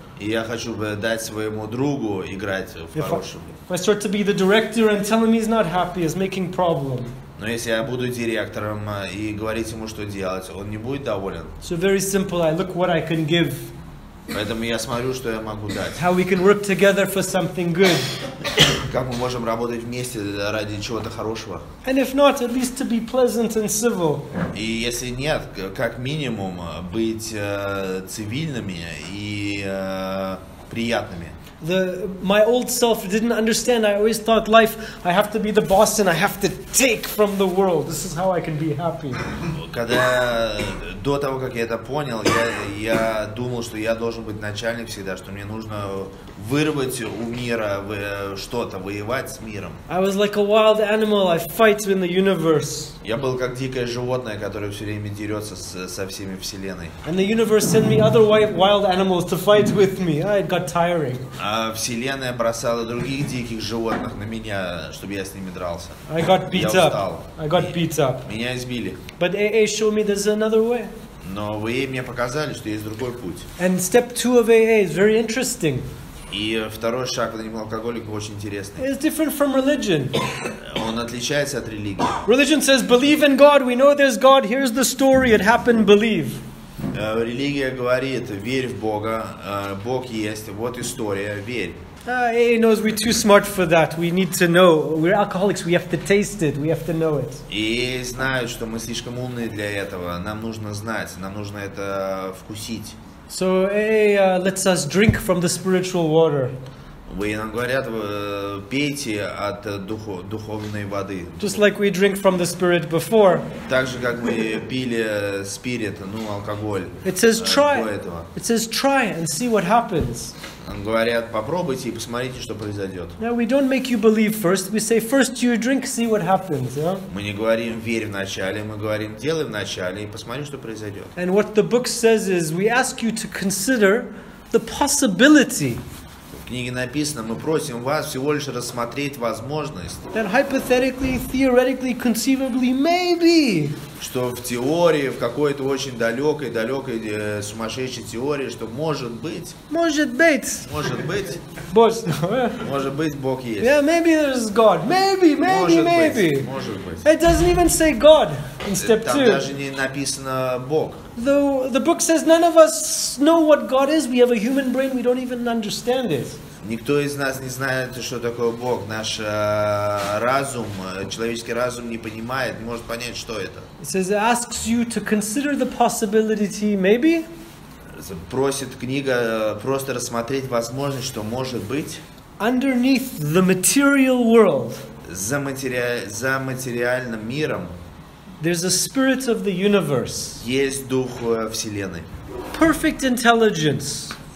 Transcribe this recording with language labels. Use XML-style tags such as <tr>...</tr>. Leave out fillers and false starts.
<ru>И я хочу дать своему другу играть в хорошем.</ru> <en>If I start to be the director and tell him he's not happy, he's making problem.</en> <ru>Но если я буду директором и говорить ему, что делать, он не будет доволен.</ru> <en>So very simple, I look what I can give.</en> <ru>Поэтому я смотрю, что я могу дать.</ru> <en>How we can work together for something good.</en> <ru>Как мы можем работать вместе ради чего-то хорошего.</ru> <en>And if not, at least to be pleasant and civil.</en> <ru>И если нет, как минимум быть цивильными и приятными.</ru> <en>My old self didn't understand. I always thought life, I have to be the boss and I have to take from the world. This is how I can be happy.</en> <ru>Когда до того, как я это понял, я думал, что я должен быть начальник всегда, что мне нужно вырвать у мира что-то, воевать с миром.</ru> <en>I was like a wild animal. I fight in the universe.</en> <ru>Я был как дикое животное, которое все время дерется со всеми вселенной.</ru> <en>And the universe sent me other wild animals to fight with me. It got tiring.</en> <ru>А вселенная бросала других диких животных на меня, чтобы я с ними дрался.</ru> <en>I got beat</en> <ru>я</ru> <en>up.</en> <ru>Устал.</ru> <en>I got beat up.</en> <ru>Меня избили.</ru> <en>But AA showed me there's another way.</en> <ru>Но AA мне показали, что есть другой путь.</ru> <en>And step two of AA is very interesting.</en> <ru>И второй шаг к алкоголику очень интересный.</ru> <en>It's different from religion.</en> <ru>Он отличается от религии.</ru> <en>Religion says believe in God. We know there's God. Here's the story. It happened. Believe.</en> <ru>Религия говорит, верь в Бога, Бог есть, вот история, верь.</ru> <en>AA knows we're too smart for that, we need to know. We're alcoholics, we have to taste it, we have to know it.</en> <ru>AA знает, что мы слишком умные для этого, нам нужно знать, нам нужно это вкусить.</ru> <en>So AA lets us drink from the spiritual water.</en> <ru>нам говорят, пейте от духовной воды.</ru> <en>Just like we drink from the spirit before.</en> <ru>Так же, как мы пили спирит, ну, алкоголь.</ru> <en>It says try. It says try and see what happens.</en> <ru>Говорят, попробуйте и посмотрите, что произойдет.</ru> <en>Now we don't make you believe first. We say first you drink, see what happens. Yeah?</en> <ru>Мы не говорим верь вначале, мы говорим делай вначале и посмотрим, что произойдет.</ru> <en>And what the book says is we ask you to consider the possibility.</en> <ru>В книге написано, мы просим вас всего лишь рассмотреть возможность.</ru> <en>That hypothetically, theoretically, conceivably, maybe.</en> <ru>Что в теории, в какой-то очень далекой сумасшедшей теории, что может быть. Может быть. Может быть. Боже. Может быть, Бог есть.</ru> <en>Yeah, maybe there's God. Maybe, maybe, maybe.</en> <ru>Может быть.</ru> <en>It doesn't even say God in step two.</en> <ru>Там даже не написано Бог.</ru> <en>The book says none of us know what God is. We have a human brain. We don't even understand it.</en> <ru>Никто из нас не знает, что такое Бог. Наш разум, человеческий разум не понимает, не может понять, что это.</ru> <en>It says it asks you to consider the possibility, maybe.</en> <ru>Просит книга просто рассмотреть возможность, что может быть.</ru> <en>Underneath the material world.</en> <ru>За материальным миром.</ru> <en>There's a spirit of the universe.</en> <ru>Есть дух вселенной.</ru> <en>Perfect intelligence.</en>